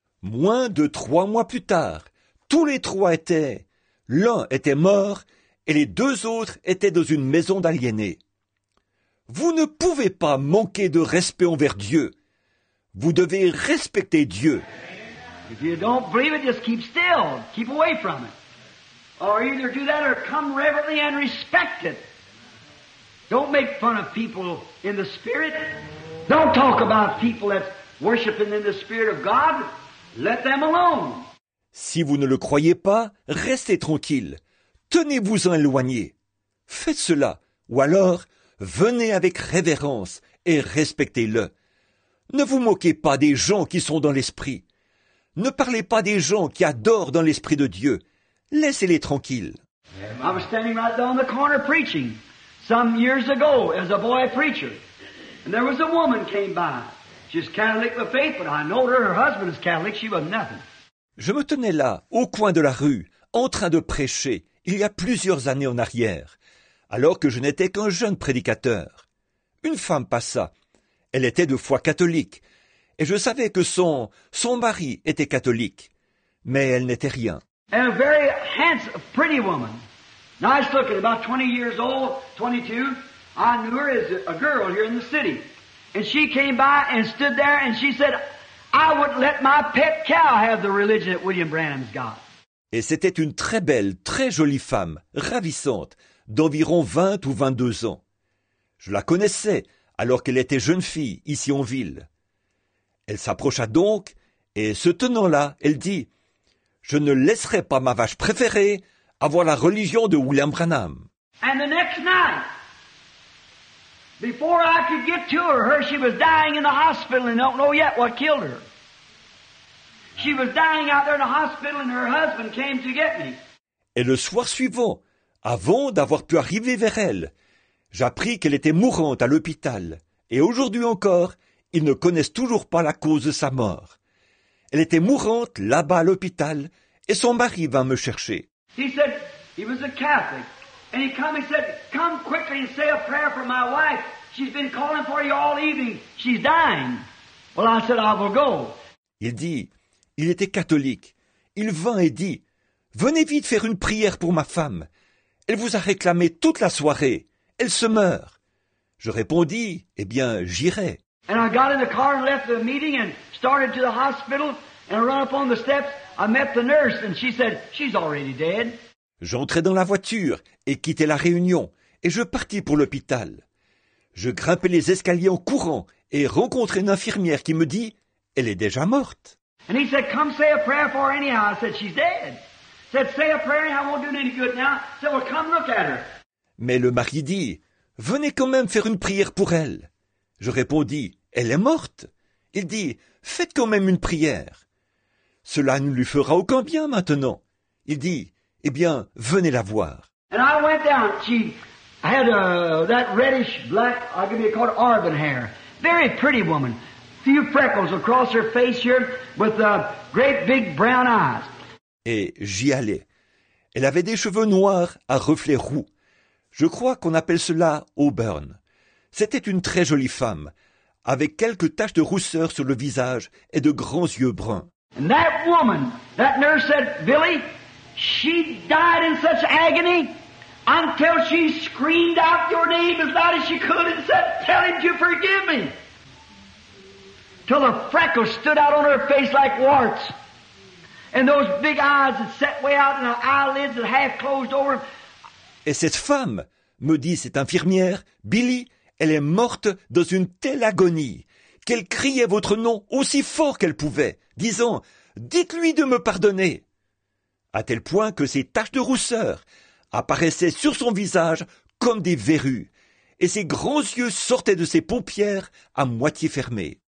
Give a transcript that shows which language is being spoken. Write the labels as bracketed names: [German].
[French] Moins de 3 mois plus tard, tous les trois étaient, l'un était mort et les deux autres étaient dans une maison d'aliénés. Vous ne pouvez pas manquer de respect envers Dieu. Vous devez respecter Dieu. [English] If you don't believe it, just keep still. Keep away from it. Or either do that or come reverently and respect it. Don't make fun of people in the Spirit. Don't talk about people that worshiping in the Spirit of God. Let them alone. [French] Si vous ne le croyez pas, restez tranquille. Tenez-vous-en éloigné. Faites cela. Ou alors, venez avec révérence et respectez-le. Ne vous moquez pas des gens qui sont dans l'esprit. Ne parlez pas des gens qui adorent dans l'esprit de Dieu. Laissez-les tranquilles. [English] I was standing right down the corner preaching some years ago as a boy preacher. And there was a woman came by. She's Catholic by faith, but I know her husband is Catholic. She was nothing. [French] Je me tenais là, au coin de la rue, en train de prêcher, il y a plusieurs années en arrière, alors que je n'étais qu'un jeune prédicateur. Une femme passa. Elle était de foi catholique, et je savais que son mari était catholique, mais elle n'était rien. [English] And a very handsome, pretty woman, nice looking, about 20 years old, 22, I knew her as a girl here in the city. And she came by and stood there and she said, "I would let my pet cow have the religion that William Branham's got." [French] Et c'était une très belle, très jolie femme, ravissante, d'environ 20 ou 22 ans. Je la connaissais alors qu'elle était jeune fille, ici en ville. Elle s'approcha donc, et se tenant là, elle dit, « Je ne laisserai pas ma vache préférée avoir la religion de William Branham. » [English] And the next night, before I could get to her, she was dying in the hospital and don't know yet what killed her. She was dying out there in the hospital and her husband came to get me. [French] Et le soir suivant, avant d'avoir pu arriver vers elle, j'appris qu'elle était mourante à l'hôpital, et aujourd'hui encore, ils ne connaissent toujours pas la cause de sa mort. Elle était mourante là-bas à l'hôpital, et son mari vint me chercher. [English] He said he was a Catholic, and he come. He said, "Come quickly and say a prayer for my wife. She's been calling for you all evening. She's dying." Well, I said, "I will go." [French] Il dit, il était catholique. Il vint et dit, "Venez vite faire une prière pour ma femme. Elle vous a réclamé toute la soirée. Elle se meurt." Je répondis, « Eh bien, j'irai. » [English] And I got in the car and left the meeting and started to the hospital and I ran up on the steps. I met the nurse and she said, "She's already dead." [French] J'entrai dans la voiture et quittai la réunion et je partis pour l'hôpital. Je grimpai les escaliers en courant et rencontrai une infirmière qui me dit, « Elle est déjà morte. » [English] And he said, "Come say a prayer for her anyhow." I said, "She's dead." He said, "Say a prayer, I won't do any good now." He said, "Well, come look at her." [French] Mais le mari dit, « Venez quand même faire une prière pour elle. » Je répondis, « Elle est morte. » Il dit, « Faites quand même une prière. » Cela ne lui fera aucun bien maintenant. Il dit, « Eh bien, venez la voir. » [English] And I went down. She had that reddish black, I give you a call it, auburn hair. Very pretty woman. Few freckles across her face here with great big brown eyes. [French] Et j'y allais. Elle avait des cheveux noirs à reflets roux. Je crois qu'on appelle cela auburn. C'était une très jolie femme, avec quelques taches de rousseur sur le visage et de grands yeux bruns. [English] And that woman, that nurse said, Billy, she died in such agony until she screamed out your name as loud as she could and said, tell him to forgive me. Till the freckles stood out on her face like warts. And those big eyes that set way out and the eyelids that half closed over. [French] Et cette femme, me dit cette infirmière, Billy, elle est morte dans une telle agonie qu'elle criait votre nom aussi fort qu'elle pouvait, disant « Dites-lui de me pardonner !» À tel point que ses taches de rousseur apparaissaient sur son visage comme des verrues et ses grands yeux sortaient de ses paupières à moitié fermées.